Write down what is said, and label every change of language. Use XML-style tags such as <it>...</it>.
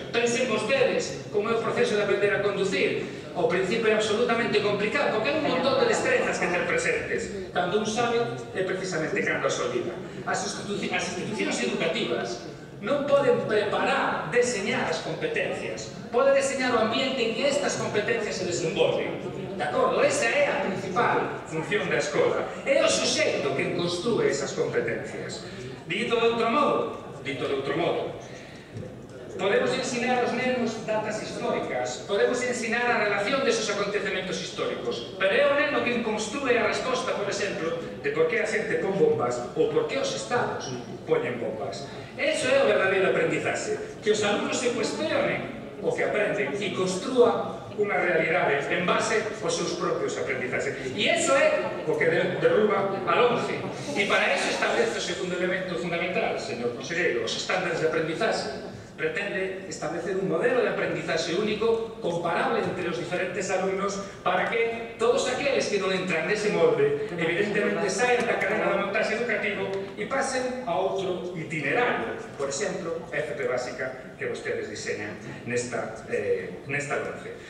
<gl>Pensen vostedes como é o proceso de aprender a conducir. O principio é absolutamente complicado, porque é un montón de destrezas que ter presentes. Cando un sabe, é precisamente cando se olvida. As institucións educativas non poden preparar, deseñar as competencias. Pode deseñar o ambiente en que estas competencias se desenvolven. De acordo, esa é a principal función da escola. É o suxeito que construe esas competencias. Dito de outro modo, podemos ensinar aos nenos datas históricas, podemos ensinar a relación deses acontecimentos históricos, pero é o neno quen construe a resposta, por exemplo, de por que a xente pon bombas ou por que os estados poñen bombas. Eso é o verdadeiro aprendizaxe, que os alumnos se cuestionen</gl> <es>o que aprende y construa unas realidades en base a sus propios aprendizajes. Y eso es lo que derruba al 11. Y para eso establece el segundo elemento fundamental, señor consejero, los estándares de aprendizaje. Pretende establecer un modelo de aprendizaje único, comparable entre los diferentes alumnos, para que todos aquellos que no entran en ese molde, evidentemente salgan de la cadena de montaje educativo y pasen a otro itinerario, por ejemplo, FP básica, que ustedes diseñan en esta clase.</es>